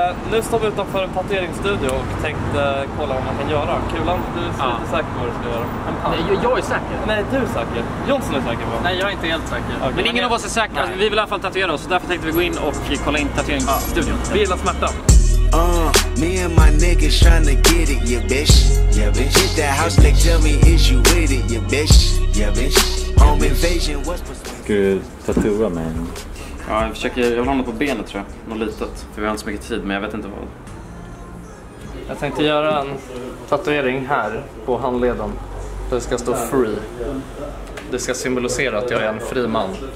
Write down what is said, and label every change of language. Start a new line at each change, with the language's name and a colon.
Swedish: Nu står vi utanför en tatueringsstudio och tänkte kolla vad man kan göra. Kulan, du ser inte säker på vad du ska göra. Nej, jag är säker. Nej, du är säker. Jonsson är säker på. Nej, jag är inte helt säker.
English: Okay.
Swedish: Men ingen av oss är säker. Alltså, vi vill i alla fall tatuera oss, så därför tänkte vi gå in och kolla in tatueringsstudion. Vi gillar smärta.
English: Me and my niggas tryna get it, yeah bitch. Yeah bitch. Hit that house, they tell me is you with it, yeah bitch. Yeah bitch. Home invasion, what's persuasion?
Swedish: Ska du tatua mig? Ja, jag försöker, jag vill ha något på benet tror jag. Något litet, för vi har inte så mycket tid, men jag vet inte vad. Jag tänkte göra en tatuering här på handleden. Det ska stå free. Det ska symbolisera att jag är en fri man.